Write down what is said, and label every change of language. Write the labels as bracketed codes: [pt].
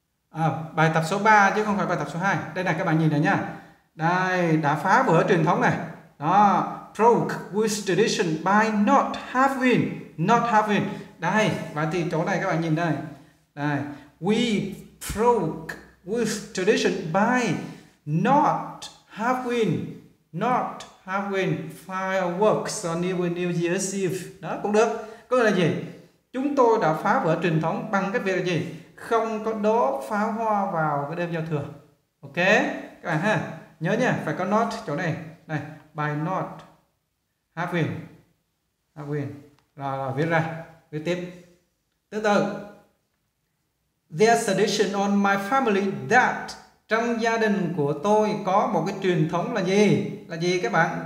[vi] À, bài tập số 3 chứ không phải bài tập số 2. Đây này các bạn nhìn này nha. Đây, đã phá vỡ truyền thống này. Đó, [en] broke with tradition by not having. [vi] Đây, và thì chỗ này các bạn nhìn đây. [en] Đây, we broke with tradition by not having fireworks on New Year's Eve. [vi] Đó cũng được. Có nghĩa là gì? Chúng tôi đã phá vỡ truyền thống bằng cái việc là gì? Không có đốt pháo hoa vào cái đêm giao thừa. Ok các bạn ha, nhớ nha, phải có not chỗ này. Này, [en] by not having. [vi] Rồi, viết ra, viết tiếp. Tương tự, [en] there's a tradition on my family that, [vi] trong gia đình của tôi có một cái truyền thống là gì? Là gì các bạn?